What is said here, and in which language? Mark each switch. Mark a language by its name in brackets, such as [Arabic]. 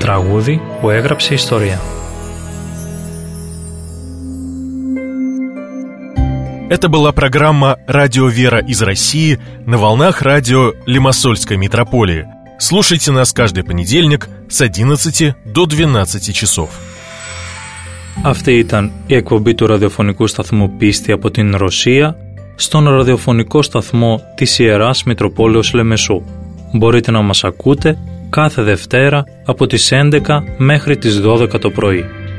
[Greek] Трагуди, που έγραψε ιστορία. [Russian] Это была программа «Радио Вера из России» на волнах радио Лимассольской митрополии. Слушайте нас каждый понедельник с 11 до 12 часов. [Greek] Αυτή ήταν η εκπομπή του ραδιοφωνικού σταθμού «Πίστη» από την Ρωσία στον ραδιοφωνικό σταθμό της Ιεράς Μητροπόλεως Λεμεσού. Μπορείτε να μας ακούτε κάθε Δευτέρα από τις 11 μέχρι τις 12 το πρωί.